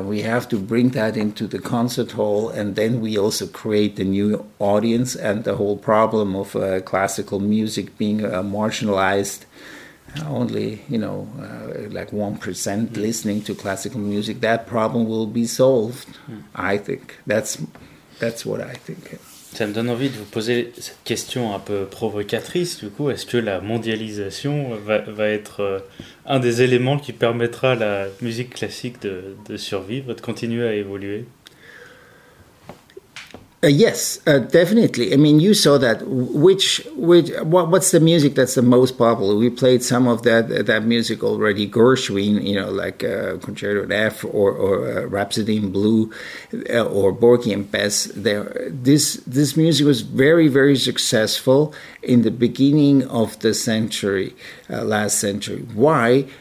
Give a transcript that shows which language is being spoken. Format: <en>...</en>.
<en>We have to bring that into the concert hall, and then we also create a new audience, and the whole problem of classical music being marginalized, only, you know, like 1% listening to classical music, that problem will be solved, I think. That's what I think.</en> <fr>Ça me donne envie de vous poser cette question un peu provocatrice, du coup. Est-ce que la mondialisation va être un des éléments qui permettra à la musique classique de survivre, de continuer à évoluer?</fr> <en>Yes, definitely. I mean, you saw that. What's the music that's the most popular? We played some of that music already. Gershwin, you know, like Concerto in F or Rhapsody in Blue, or Borky and Bess. This music was very, very successful in the beginning of the century, last century. Why?</en>